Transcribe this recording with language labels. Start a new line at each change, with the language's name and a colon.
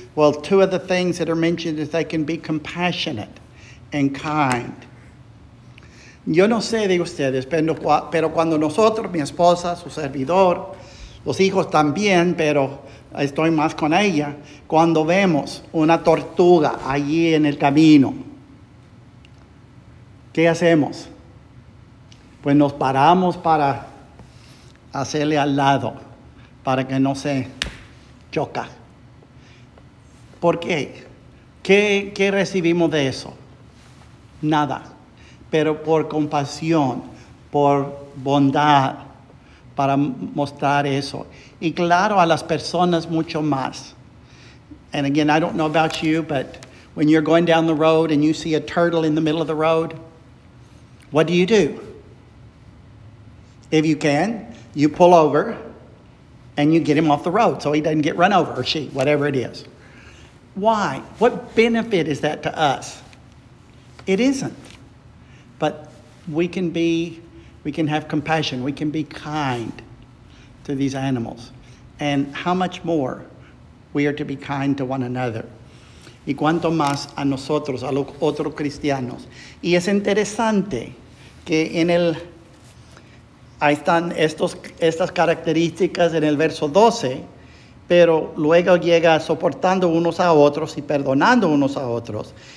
English: Well, two of the things that are mentioned is they can be compassionate and kind.
Spanish: Yo no sé de ustedes, pero cuando nosotros, mi esposa, su servidor, los hijos también, pero estoy más con ella, cuando vemos una tortuga allí en el camino, ¿qué hacemos? Pues nos paramos para hacerle al lado, para que no se choca. ¿Por qué? ¿Qué recibimos de eso? Nada. Pero por compasión, por bondad, para mostrar eso. Y claro, a las personas mucho más.
English: And again, I don't know about you, but when you're going down the road and you see a turtle in the middle of the road, what do? If you can, you pull over and you get him off the road so he doesn't get run over, or she, whatever it is. Why? What benefit is that to us? It isn't. But we can have compassion. We can be kind to these animals. And how much more we are to be kind to one another.
Spanish: Y cuanto más a nosotros, a los otros cristianos. Y es interesante que en el... Ahí están estas características en el verso 12, pero luego llega soportando unos a otros y perdonando unos a otros.